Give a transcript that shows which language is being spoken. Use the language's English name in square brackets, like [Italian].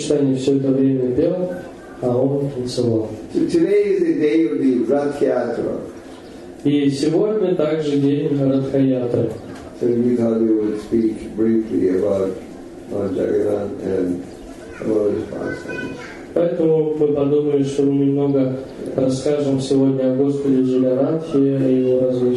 [Russian] Чайтанья все это время пел, а он танцевал. [English] So today is the day of the Радха-ятра. [Russian] И сегодня также день Радха-ятра. [English] So we thought we would speak briefly about Jagannath and about his pastimes. [Russian] Поэтому мы подумали, что мы немного расскажем сегодня о Господе Джаганнатхе и его